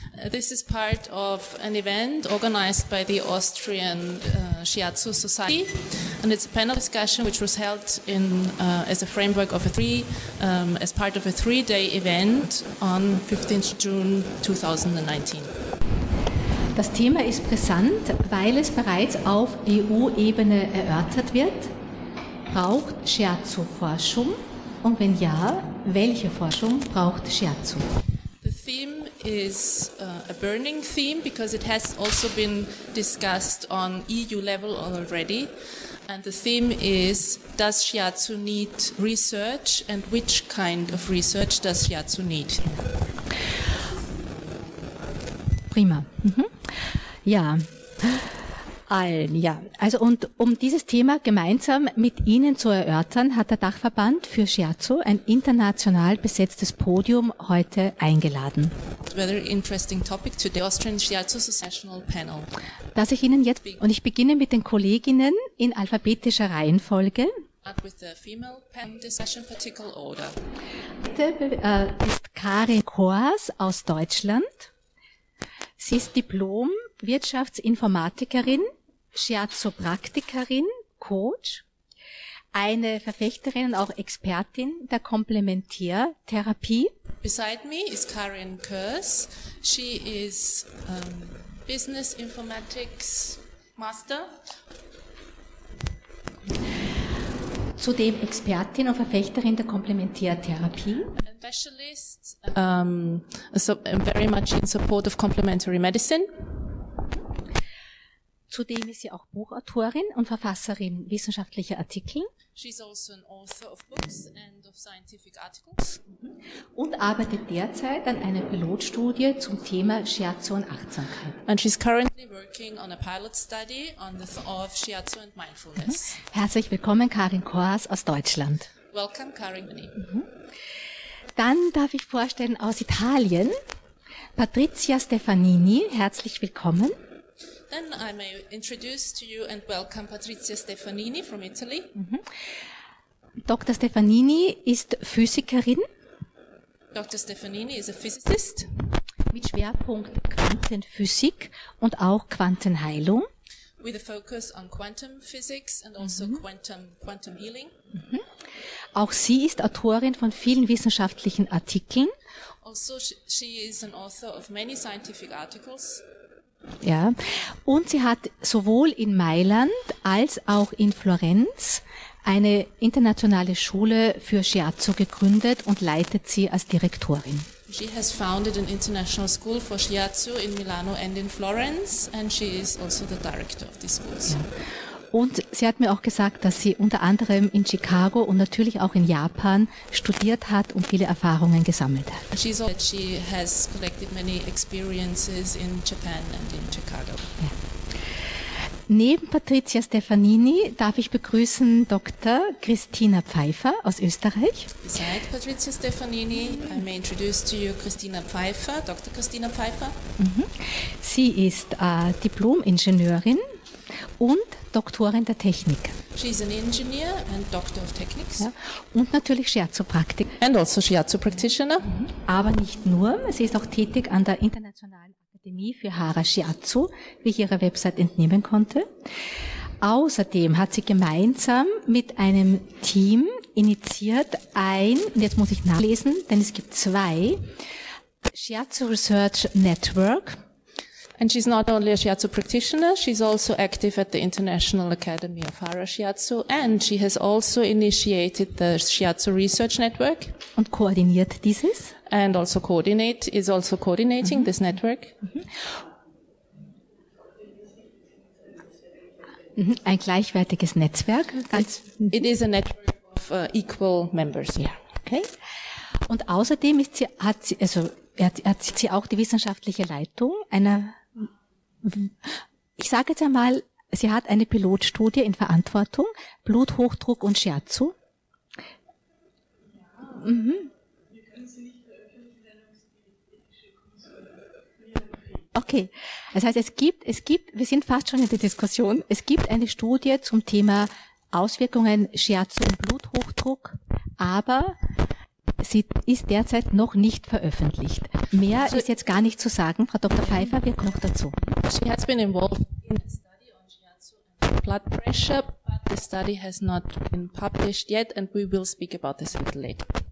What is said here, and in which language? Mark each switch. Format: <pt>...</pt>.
<en>This is part of an event organized by the Austrian Shiatsu Society, and it's a panel discussion which was held in as a framework of a three-day event on 15th June 2019.</en> <de>Das Thema ist brisant, weil es bereits auf EU-Ebene erörtert wird. Braucht Shiatsu Forschung? Und wenn ja, welche Forschung braucht Shiatsu?</de> <en>The theme is a burning theme because it has also been discussed on EU level already. And the theme is, does Shiatsu need research and which kind of research does Shiatsu need?</en> <de>Prima. Mhm. Ja. Allen, ja. Also, und um dieses Thema gemeinsam mit Ihnen zu erörtern, hat der Dachverband für Shiatsu ein international besetztes Podium heute eingeladen.</de> <en>Very interesting topic to the Austrian Shiatsu Sessional Panel.</en> <de>Dass ich Ihnen jetzt, und ich beginne mit den Kolleginnen in alphabetischer Reihenfolge.</de> <en>With the female panel discussion particle order.</en> <de>Heute ist Karin Kors aus Deutschland. Sie ist Diplom Wirtschaftsinformatikerin, Shiatsu-Praktikerin, Coach, eine Verfechterin und auch Expertin der Komplementärtherapie.</de> <en>Beside me is Karin Kurs. She is Business Informatics Master.</en> <de>Zudem Expertin und Verfechterin der Komplementärtherapie.</de> <en>Specialist, so very much in support of complementary medicine.</en> <de>Zudem ist sie auch Buchautorin und Verfasserin wissenschaftlicher Artikel.</de> <en>She's also an author of books and of scientific articles.</en> <de>Und arbeitet derzeit an einer Pilotstudie zum Thema Shiatsu und Achtsamkeit.</de> <en>And she's currently working on a pilot study on the of Shiatsu and mindfulness.</en> <de>Herzlich willkommen, Karin Kohas aus Deutschland.</de> <en>Welcome, Karin Bonin.</en> <de>Dann darf ich vorstellen aus Italien, Patrizia Stefanini. Herzlich willkommen.</de> <en>Then I may introduce to you and welcome Patrizia Stefanini from Italy.</en> <de>Dr. Stefanini ist Physikerin.</de> <en>Dr. Stefanini is a physicist.</en> <de>Mit Schwerpunkt Quantenphysik und auch Quantenheilung.</de> <en>With a focus on quantum physics and also quantum healing.</en> <de>Auch sie ist Autorin von vielen wissenschaftlichen Artikeln.</de> <en>Also she is an author of many scientific articles.</en> <de>Ja, und sie hat sowohl in Mailand als auch in Florenz eine internationale Schule für Shiatsu gegründet und leitet sie als Direktorin.</de> <en>She has founded an international school for Shiatsu in Milano and in Florence and she is also the director of this school.</en> <de>Ja. Und sie hat mir auch gesagt, dass sie unter anderem in Chicago und natürlich auch in Japan studiert hat und viele Erfahrungen gesammelt hat.</de> <en>She has collected many experiences in Japan and in Chicago.</en> <de>Ja. Neben Patrizia Stefanini darf ich begrüßen Dr. Christina Pfeiffer aus Österreich.</de> <en>Besides Patrizia Stefanini, I may introduce to you Christina Pfeiffer, Dr. Christina Pfeiffer.</en> <de>Sie ist Diplom-Ingenieurin und Doktorin der Technik.</de> <en>She is an engineer and doctor of techniques.</en> <de>Ja. Und natürlich Shiatsu-Praktikerin.</de> <en>And also Shiatsu-Practitioner.</en> <de>Aber nicht nur, sie ist auch tätig an der Internationalen Akademie für Hara Shiatsu, wie ich ihrer Website entnehmen konnte. Außerdem hat sie gemeinsam mit einem Team initiiert ein, und jetzt muss ich nachlesen, denn es gibt zwei, Shiatsu Research Network.</de> <en>And she's not only a Shiatsu practitioner, she's also active at the International Academy of Hara Shiatsu and she has also initiated the Shiatsu Research Network.</en> <de>Und koordiniert dieses.</de> <en>And also is also coordinating this network.</en> <de>Ein gleichwertiges Netzwerk.</de> <en>It is a network of equal members. Yeah. Okay.</en> <de>Und außerdem hat sie auch die wissenschaftliche Leitung einer. Ich sage jetzt einmal, sie hat eine Pilotstudie in Verantwortung, Bluthochdruck und Shiatsu. Okay, das heißt, es gibt, wir sind fast schon in der Diskussion, es gibt eine Studie zum Thema Auswirkungen Shiatsu und Bluthochdruck, aber sie ist derzeit noch nicht veröffentlicht. Mehr ist jetzt gar nicht zu sagen. Frau Dr. Pfeiffer, wir kommen noch dazu.</de> <en>She has been involved in a study on Shiatsu and blood pressure, but the study has not been published yet and we will speak about this a little later.</en>